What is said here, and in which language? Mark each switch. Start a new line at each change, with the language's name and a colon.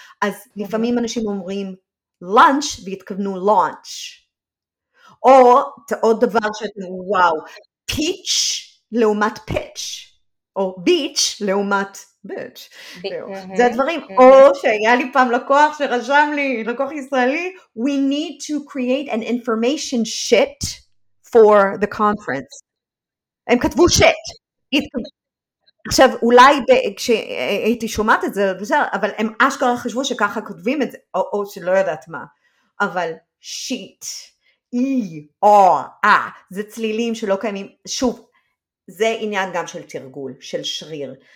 Hebrew: אז לפעמים אנשים אומרים lunch והתכוונו launch. או עוד דבר שאתם, וואו, pitch לעומת pitch, או beach לעומת bitch. זה הדברים. או שהיה לי פעם לקוח שרשם לי, לקוח ישראלי,
English: we need to create an information sheet for the conference.
Hebrew: הם כתבו sheet. עכשיו, אולי כשהייתי שומעת את זה, בסדר, אבל הם אשכרה חשבו שככה כותבים את זה, או שלא יודעת מה. אבל שיט, אי, או, אה, זה צלילים שלא קיימים. שוב, זה עניין גם של תרגול, של שריר.